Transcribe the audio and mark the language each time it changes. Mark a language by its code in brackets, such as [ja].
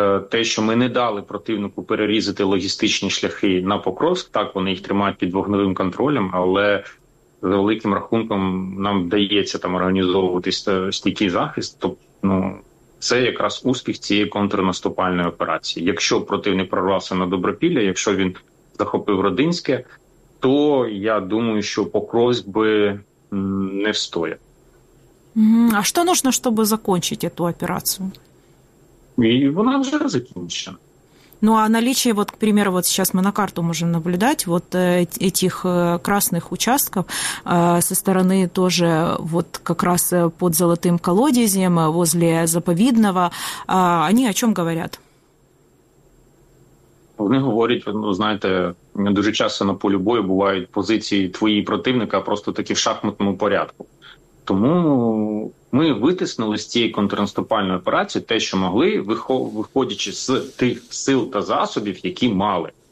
[uk] те, що ми не дали противнику перерізати логістичні шляхи на Покровськ, так, вони їх тримають під вогневим контролем, але за великим рахунком нам вдається там організовувати стійкий захист, тобто, ну, це якраз успіх цієї контрнаступальної операції. Якщо противник прорвався на Добропілля, якщо він захопив Родинське, то я думаю, що Покровськ би не встояв. А що потрібно, щоб закінчити цю операцію? І вона вже закінчена. [ru] Ну, а наличие, вот, к примеру, вот сейчас мы на карту можем наблюдать вот этих красных участков со стороны тоже вот как раз под Золотым колодезем, возле Заповідного, они о чем говорят? [uk] Вони говорять, ну, знаєте, дуже часто на полі бою бувають позиції твої противника просто такі в шахматному порядку. Тому ми витиснули з цієї контрнаступальної операції те, що могли, виходячи з тих сил та засобів, які мали.